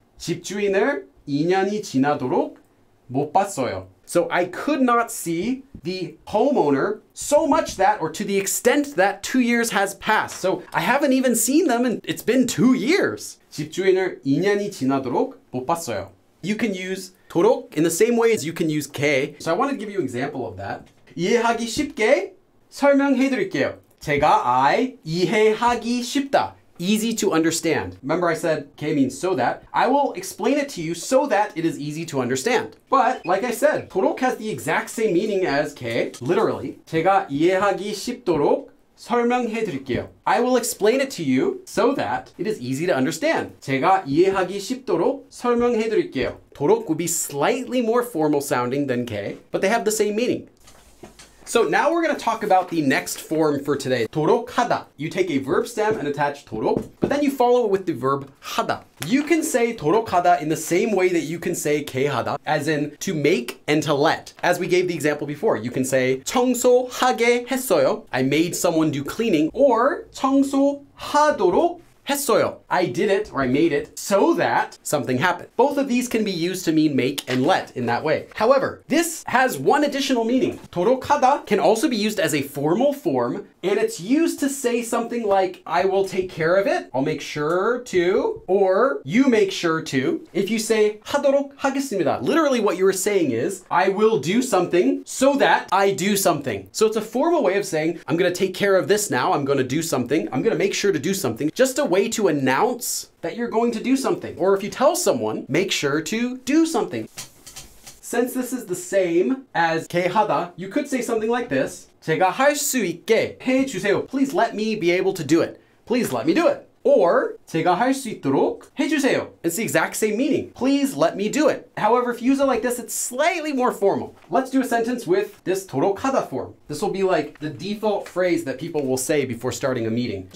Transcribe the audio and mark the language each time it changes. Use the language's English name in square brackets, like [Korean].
[Korean] 집주인을 2년이 지나도록 못 봤어요. [English] So I could not see the homeowner so much that, or to the extent that 2 years has passed. So I haven't even seen them and it's been 2 years. [Korean] 집주인을 2년이 지나도록 못 봤어요. [English] You can use 도록 in the same way as you can use 게. So I wanted to give you an example of that. [Korean] 이해하기 쉽게 설명해 드릴게요. 제가 아이 이해하기 쉽다. [English] Easy to understand. Remember I said 게 means so that. I will explain it to you so that it is easy to understand. But like I said, 도록 has the exact same meaning as 게, literally. [Korean] 제가 이해하기 쉽도록 설명해 드릴게요. [English] I will explain it to you so that it is easy to understand. [Korean] 제가 이해하기 쉽도록 설명해 드릴게요. [English] 도록 would be slightly more formal sounding than 게, but they have the same meaning. So now we're going to talk about the next form for today. [Korean] 도록하다. [English] You take a verb stem and attach 도록, but then you follow it with the verb 하다. You can say 도록하다 in the same way that you can say 게하다, as in to make and to let. As we gave the example before, you can say [Korean] 청소하게 했어요. [English] I made someone do cleaning. [Korean] Or 청소하도록 했어요. [English] I did it, or I made it, so that something happened. Both of these can be used to mean make and let in that way. However, this has one additional meaning. [Korean] 도록하다 [English] can also be used as a formal form, and it's used to say something like, I will take care of it, I'll make sure to, or you make sure to. If you say [Korean] 하도록 하겠습니다, [English] literally what you are saying is, I will do something so that I do something. So it's a formal way of saying, I'm gonna take care of this now, I'm gonna do something, I'm gonna make sure to do something, just a way to announce that you're going to do something. Or if you tell someone, make sure to do something. Since this is the same as 게하다, you could say something like this. [Korean] 제가 할 수 있게 해주세요. [English] Please let me be able to do it. Please let me do it. [Korean] Or 제가 할 수 있도록 해주세요. [English] It's the exact same meaning. Please let me do it. However, if you use it like this, it's slightly more formal. Let's do a sentence with this 도록하다 form. This will be like the default phrase that people will say before starting a meeting.